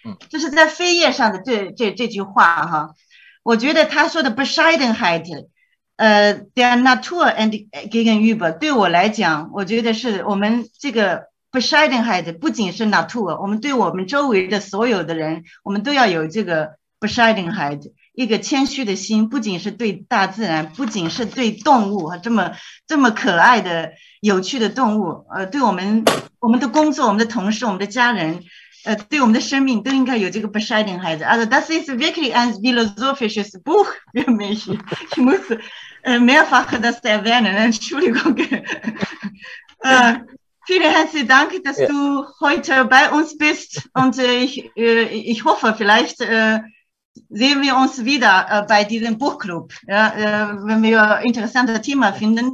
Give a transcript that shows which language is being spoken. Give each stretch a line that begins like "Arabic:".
German: Das ist auf der Seite von diesem Wort. Ich denke, er sagt Bescheidenheit der Natur gegenüber. Für mich, ich denke, dass wir diese Bescheidenheit nicht nur der Natur, sondern für unsere Umgebung, für alle Menschen, wir müssen diese Bescheidenheit haben.
Chinese: 一个谦虚的心，不仅是对大自然，不仅是对动物，这么可爱的、有趣的动物，对我们的工作、我们的同事、我们的家人，对我们的生命都应该有这个 Bescheidenheit。
German: Also das ist wirklich ein philosophisches Buch für mich. Ich muss mehrfach das erwähnen. Entschuldigung. Vielen herzlichen Dank, dass du heute bei uns bist. Und ich hoffe vielleicht. Sehen wir uns wieder bei diesem Buchclub, ja, wenn wir interessante Themen finden.